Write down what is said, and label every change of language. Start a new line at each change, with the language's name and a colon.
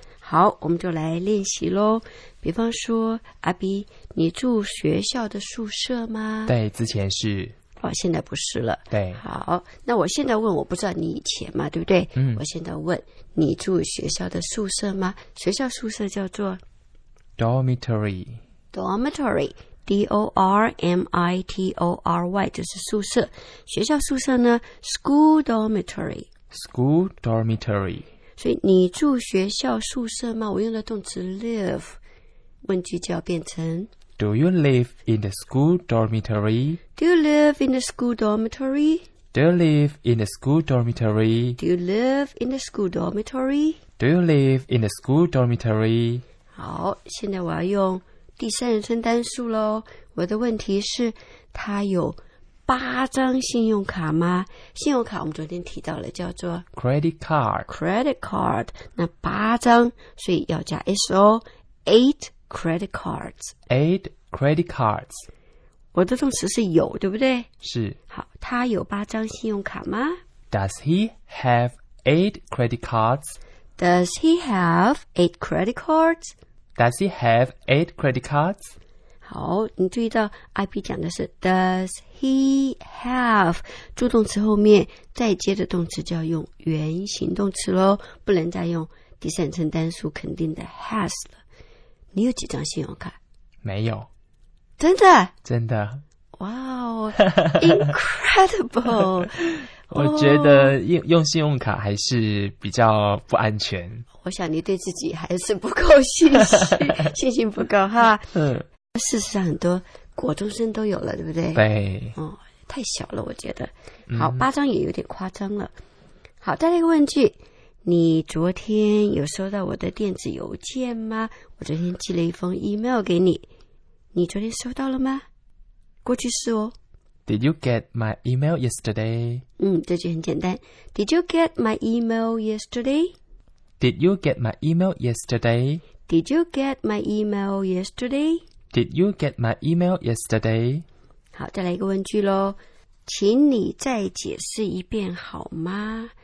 Chinese: 好，我们就来练习咯。比方说阿 B， 你住学校的宿舍吗？对，之前是。哦，现在不是了。对，好，那我现在问，我不知道你以前嘛，对不对？嗯，我现在问你住学校的宿舍吗？学校宿舍叫做
English: dormitory， dormitory， d o r m i t o r y，
Chinese: 就是宿舍。学校宿舍呢
English: school dormitory， school dormitory。
Chinese: 所以你住学校宿舍吗？我用的动词 live， 问句就要变成
English: Do you live in the school dormitory? Do you live in the school dormitory? Do you live in the school dormitory? Do you live in the school dormitory? Do you live in the school dormitory?
Chinese: 好，现在我要用第三人称单数咯。我的问题是，他有八张信用卡吗？信用卡我们昨天提到了，叫做
English: credit card. Credit card.
Chinese: 那八张，所以要加 SO, eight.
English: Credit cards. Eight credit cards.
Chinese: 我的动词是有，对不对？是。好，他有八张信用卡吗？
English: Does he have eight credit cards? Does he have eight credit cards? Does he have eight credit cards?
Chinese: 好，你注意到 IP 讲的是
English: Does he have
Chinese: 助动词后面再接的动词就要用原形动词咯，不能再用第三人称单数肯定的 has 了。你有几张信用卡？没有。真的？真的。
English: 哇、wow, 哦 ,incredible!
Chinese: 我觉得用信用卡还是比较不安全。我想你对自己还是不够信心，信心不够哈。嗯。事实上很多国中生都有了，对不对？对。哦，太小了我觉得。好，八张也有点夸张了。好，再来一个问句。你昨天有收到我的电子邮件吗？我昨天寄了一封 email 给你，你昨天收到了吗？过去式哦。
English: Did you get my email yesterday?
Chinese: 嗯，这句很简单。
English: Did you get my email yesterday? Did you get my email yesterday? Did you get my email yesterday? Did you get my email yesterday?
Chinese: 好，再来一个问句咯，请你再解释一遍好吗？